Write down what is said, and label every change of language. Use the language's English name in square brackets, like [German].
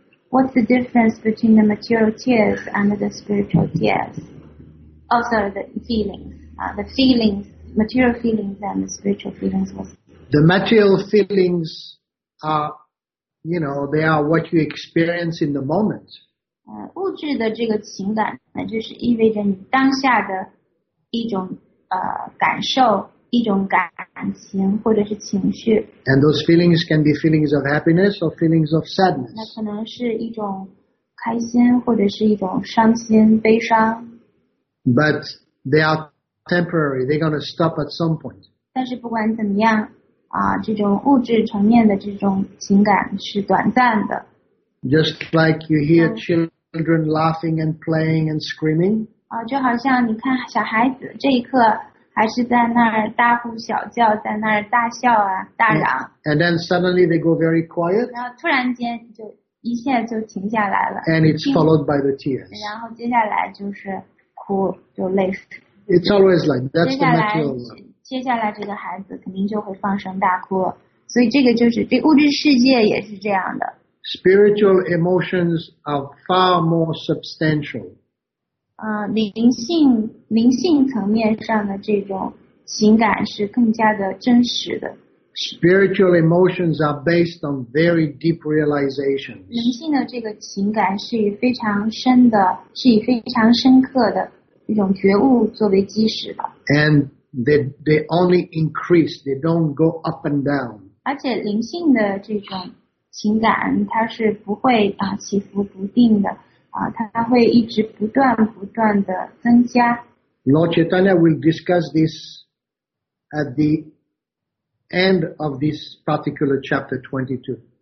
[English] What's the difference between the material tears and the spiritual tears? Also, the feelings, material feelings and the spiritual feelings. The material feelings are, you know, they are what you experience in the moment. [Chinese] 物质的这个情感，那就是意味着你当下的一种感受，一种感情或者是情绪。 [English] And those feelings can be feelings of happiness or feelings of sadness. [Chinese] 那可能是一种开心或者是一种伤心悲伤。 [English] But they are temporary. They're going to stop at some point. [Chinese] 但是不管怎么样啊，这种物质层面的这种情感是短暂的。 [English] Just like you hear children laughing and playing and screaming. [Chinese] 啊，就好像你看小孩子这一刻还是在那儿大呼小叫，在那儿大笑啊，大嚷。 [English] And then suddenly they go very quiet. [Chinese] 然后突然间就一切就停下来了。 [English] And it's followed by the tears. [Chinese] 然后接下来就是哭，就泪水。 [English] It's always like that's the natural one. [Chinese] 接下来这个孩子肯定就会放声大哭，所以这个就是这物质世界也是这样的。 [English] Spiritual emotions are far more substantial. [Chinese] 灵性层面上的这种情感是更加的真实的。 [English] Spiritual emotions are based on very deep realizations. [Chinese] 灵性的这个情感是以非常深的，是以非常深刻的一种觉悟作为基石的。 [English] And they only increase, they don't go up and down. [Chinese] 而且灵性的这种情感它是不会起伏不定的，它会一直不断不断的增加。 [English] Lord Chaitanya will discuss this at the end of this particular chapter 22.